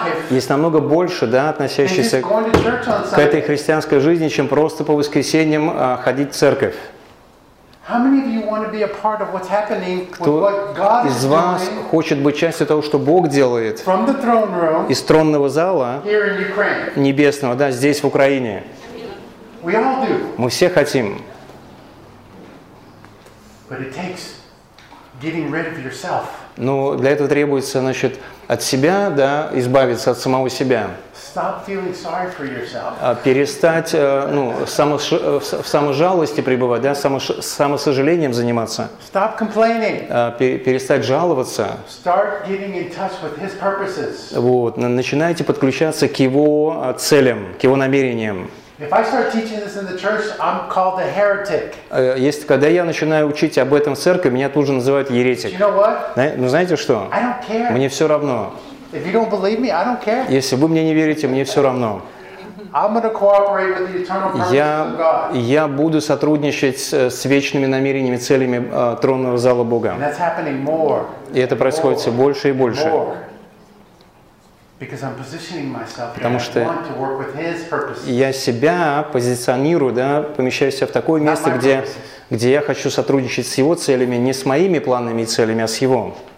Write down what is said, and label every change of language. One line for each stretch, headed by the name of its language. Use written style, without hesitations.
Russian: Есть намного больше, да, относящихся к этой христианской жизни, чем просто по воскресеньям ходить в церковь.
English: How many of you want to be a part of what's happening with what God is doing?
Russian: Кто из вас хочет быть частью того, что Бог делает?
English: From the throne room.
Russian: Из тронного зала.
English: Here in Ukraine.
Russian: Небесного, да, здесь в Украине.
English: We all do.
Russian: Мы все хотим.
English: But it takes getting rid of yourself.
Russian: Но для этого требуется, значит, от себя, да, избавиться от самого себя.
English: Stop feeling sorry for yourself.
Russian: Перестать, ну, в саможалости пребывать, да, самосожалением заниматься.
English: Stop complaining.
Russian: Перестать жаловаться.
English: Start getting in touch with his purposes.
Russian: Вот, начинайте подключаться к его целям, к его намерениям.
English: If I start teaching this in the church, I'm called a heretic.
Russian: Если когда я начинаю учить об этом в церкви, меня тут же называют еретик.
English: You know what?
Russian: Ну знаете что?
English: I don't care.
Russian: Мне все равно.
English: If you don't believe me, I don't care.
Russian: Если вы мне не верите, мне все равно.
English: I'm going to cooperate with the eternal purpose of God.
Russian: Я буду сотрудничать с вечными намерениями, целями тронного зала Бога.
English: And that's happening more.
Russian: И это происходит все больше и больше.
English: Because I'm positioning myself.
Russian: Потому что
English: I want to work with his purposes.
Russian: Я себя позиционирую, да, помещаю себя в такое место, где я хочу сотрудничать с его целями, не с моими планами и целями, а с его.